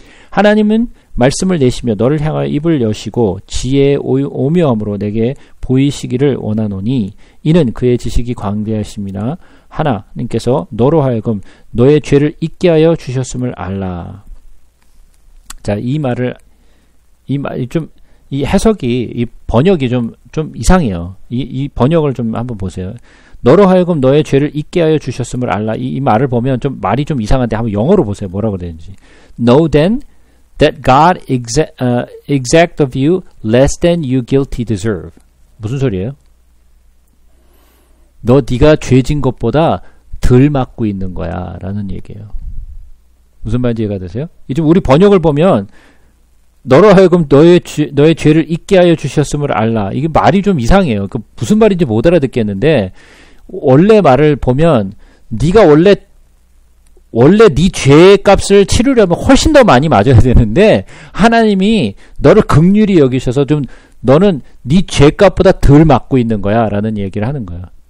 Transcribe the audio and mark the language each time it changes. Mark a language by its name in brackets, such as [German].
[Korean] 하나님은 말씀을 내시며 너를 향하여 입을 여시고 지혜의 오묘함으로 내게 보이시기를 원하노니 이는 그의 지식이 광대하심이라 하나님께서 너로 하여금 너의 죄를 잊게 하여 주셨음을 알라. 자, 이 해석이, 이 번역이 좀 이상해요. 이 번역을 좀 한번 보세요. 너로 하여금 너의 죄를 잊게 하여 주셨음을 알라. 이 말을 보면 좀 말이 좀 이상한데 한번 영어로 보세요. 뭐라고 되는지. [English] Know then that God exact of you less than you guilty deserve. [Korean] 무슨 소리예요? 너 네가 죄진 것보다 덜 맞고 있는 거야 라는 얘기예요. 무슨 말인지 이해가 되세요? 이제 우리 번역을 보면 너로 하여금 너의 죄를 잊게 하여 주셨음을 알라. 이게 말이 좀 이상해요. 그러니까 무슨 말인지 못 알아듣겠는데 원래 말을 보면 네가 원래 네 죄의 값을 치르려면 훨씬 더 많이 맞아야 되는데 하나님이 너를 긍휼히 여기셔서 좀 너는 네 죄값보다 덜 맞고 있는 거야 라는 얘기를 하는 거야.